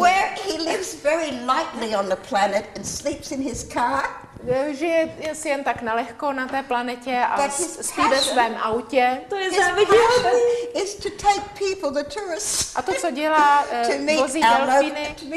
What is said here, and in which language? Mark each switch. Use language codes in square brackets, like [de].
[en] Where he lives very lightly on the planet and sleeps in his car. [cs] žije si jen tak nalehko na té planetě a spí ve svém autě. To je záviděhodný. [en] Is to take people, the tourists, [cs] a to, co dělá, vozí delfíny.